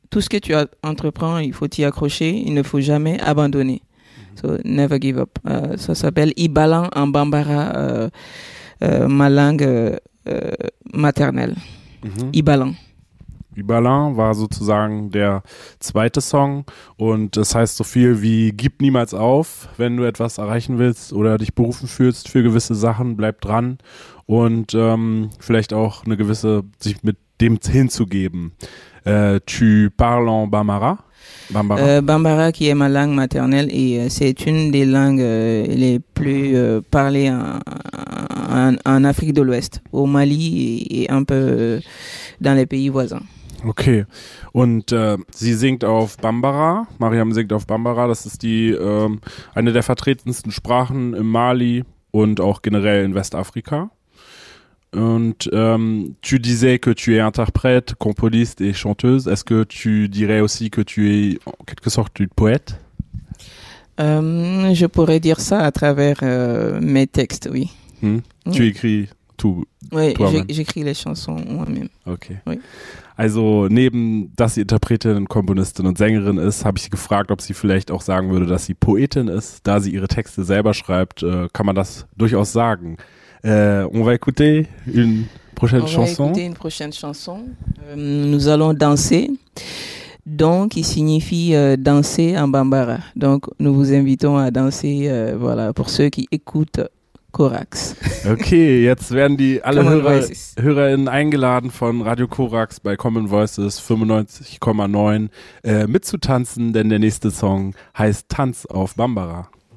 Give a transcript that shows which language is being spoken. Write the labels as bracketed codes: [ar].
[fr] Tout ce que tu entreprends, il faut t'y accrocher, il ne faut jamais abandonner. [en] So never give up. [fr] Ça s'appelle Ibalan en Bambara, ma langue maternelle. Mm-hmm. Ibalan. [de] Ibalan war sozusagen der zweite Song und das heißt so viel wie gib niemals auf, wenn du etwas erreichen willst oder dich berufen fühlst für gewisse Sachen, bleib dran und vielleicht auch eine gewisse sich mit dem hinzugeben. [fr] Tu parles en Bambara? Bambara. Bambara qui est ma langue maternelle et c'est une des langues les plus parlées en Afrique de l'Ouest, au Mali et un peu dans les pays voisins. [de] Ok, und sie singt auf Bambara, Mariam singt auf Bambara, das ist die eine der vertretensten Sprachen im Mali und auch generell in Westafrika. Und [fr] tu disais que tu es interprète, componiste et chanteuse. Est-ce que tu dirais aussi que tu es en quelque sorte une poète? Je pourrais dire ça à travers mes textes, oui. Mmh. Tu écris tout, oui, toi-même? Oui, j'écris les chansons moi-même. Ok. Oui. [de] Also neben, dass sie Interpretin, Komponistin und Sängerin ist, habe ich sie gefragt, ob sie vielleicht auch sagen würde, dass sie Poetin ist. Da sie ihre Texte selber schreibt, kann man das durchaus sagen. [fr] On va écouter une prochaine chanson. On va écouter une prochaine chanson. Nous allons danser. Donc, il signifie danser en Bambara. Donc, nous vous invitons à danser, voilà, pour ceux qui écoutent Korax. [de] Ok, jetzt werden die alle HörerInnen eingeladen von Radio Korax bei Common Voices 95,9 mitzutanzen, denn der nächste Song heißt Tanz auf Bambara.